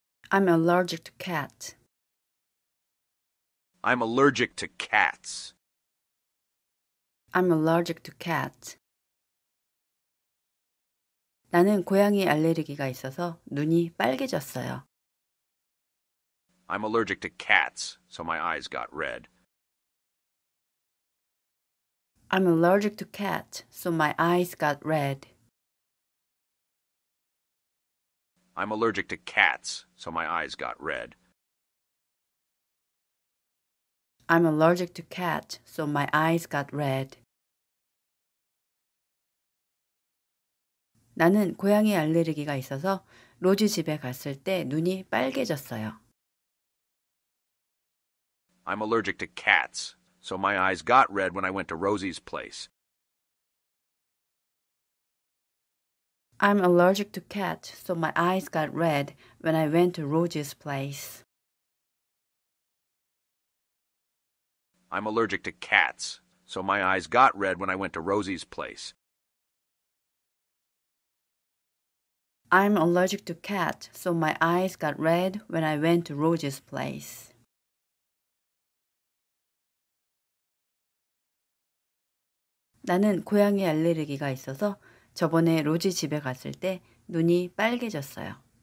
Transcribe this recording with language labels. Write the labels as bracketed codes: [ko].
[en] I'm allergic to cats. I'm allergic to cats. I'm allergic to cats. [ko] 나는 고양이 알레르기가 있어서 눈이 빨개졌어요. [en] I'm allergic to cats, so my eyes got red. I'm allergic to cats, so my eyes got red. I'm allergic to cats, so my eyes got red. I'm allergic to cats, so my eyes got red. [ko] 나는 고양이 알레르기가 있어서 로지 집에 갔을 때 눈이 빨개졌어요. [en] I'm allergic to cats, so my eyes got red when I went to Rosie's place. I'm allergic to cats, so my eyes got red when I went to Rosie's place. I'm allergic to cats, so my eyes got red when I went to Rosie's place. I'm allergic to cats, so my eyes got red when I went to Rosie's place. [ko] 나는 고양이 알레르기가 있어서 저번에 로지 집에 갔을 때 눈이 빨개졌어요.